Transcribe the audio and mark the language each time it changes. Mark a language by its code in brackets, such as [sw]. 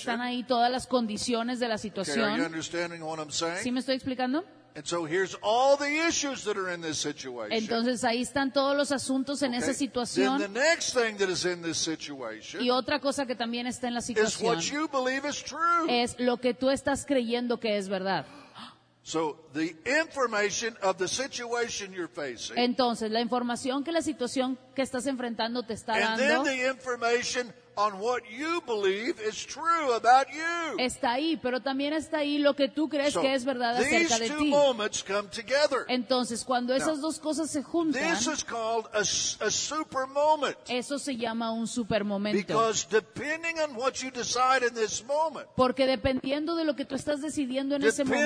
[es] Están ahí todas las condiciones de la situación. [en] Okay, are you understanding what I'm saying? [es] ¿Sí me estoy explicando? [en] And so here's all the issues that are in this situation. [es] Entonces ahí están todos los asuntos en esa situación. [en] Then the next thing that is in this situation. [es] Y otra cosa que también está en la situación. [en] Is what you believe is true. [es] Es lo que tú estás creyendo que es verdad. [en] So the information of the situation you're facing. [es] Entonces la información que la situación que estás enfrentando te está dando. [en] And then the information on what you believe is true about you. [es] Está ahí, pero también está ahí lo que tú crees que es verdad acerca de ti. [en] These two moments come together. [es] Entonces cuando esas dos cosas se juntan. [en] This is called a super moment. [es] Eso se llama un super momento. [en] Because depending on what you decide in this moment. [es] Porque dependiendo de lo que tú estás decidiendo en ese momento.